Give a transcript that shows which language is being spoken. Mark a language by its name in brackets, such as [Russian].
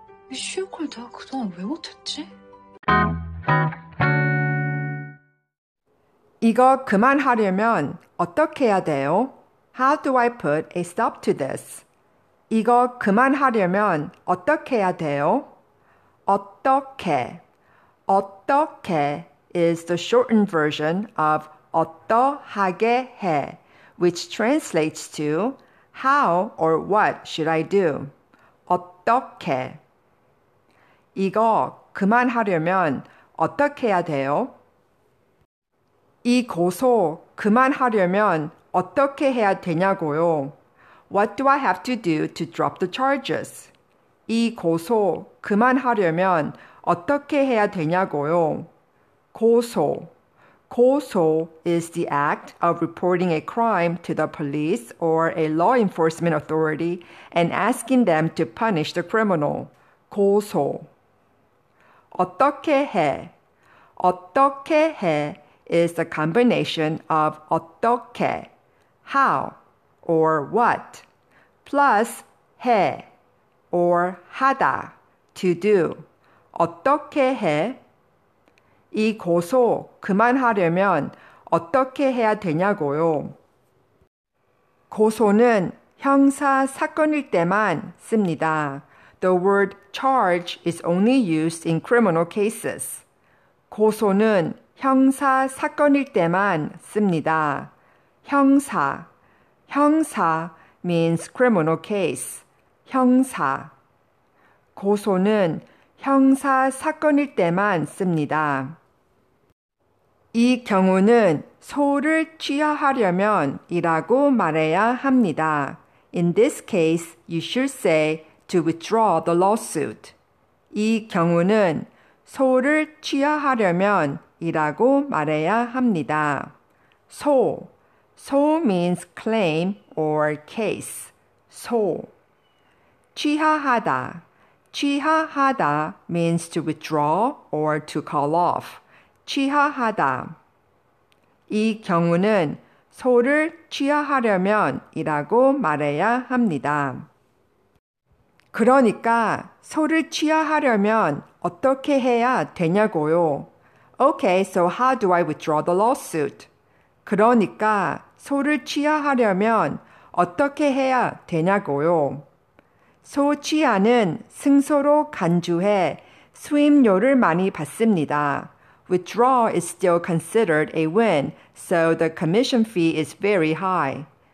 [Korean] 이 쉬운 걸 내가 그동안 왜 못했지? 이거 그만하려면 어떻게 해야 돼요? [English] How do I put a stop to this? [Korean] 이거 그만하려면 어떻게 해야 돼요? [English] 어떻게. 어떻게 is the shortened version of [Korean] 어떠하게 해, [English] which translates to how or what should I do? 어떻게. [Korean] 이거 그만하려면 어떻게 해야 돼요? 이 고소 그만하려면 어떻게 해야 되냐고요? [English] What do I have to do to drop the charges? [Korean] 이 고소 그만하려면 어떻게 해야 되냐고요? 고소. [English] 고소 is the act of reporting a crime to the police or a law enforcement authority and asking them to punish the criminal. [Korean] 고소. 어떻게 해? [English] 어떻게 해? Is the combination of 어떻게, how, or what, plus 해, or 하다, to do. [Korean] 어떻게 해? 이 고소 그만하려면 어떻게 해야 되냐고요? 고소는 형사 사건일 때만 씁니다. [English] The word charge is only used in criminal cases. [Korean] 고소는 형사 사건일 때만 씁니다. 형사. 형사 [English] means criminal case. [Korean] 형사. 고소는 형사 사건일 때만 씁니다. 이 경우는 소를 취하하려면이라고 말해야 합니다. [English] In this case, you should say to withdraw the lawsuit. [Korean] 이 경우는 소를 취하하려면 이라고 말해야 합니다. 소. 소 [English] means claim or case. [Korean] 소. [English] 취하하다. 취하하다 means to withdraw or to call off. [Korean] 취하하다. 이 경우는 소를 취하하려면 이라고 말해야 합니다. 그러니까 소를 취하하려면 어떻게 해야 되냐고요? [English] Okay, so how do I withdraw the lawsuit? [Korean] 그러니까 소를 취하하려면 어떻게 해야 되냐고요? 소 취하는 승소로 간주해 수임료를 많이 받습니다. [English] Withdrawal is still considered a win, so the commission fee is very high.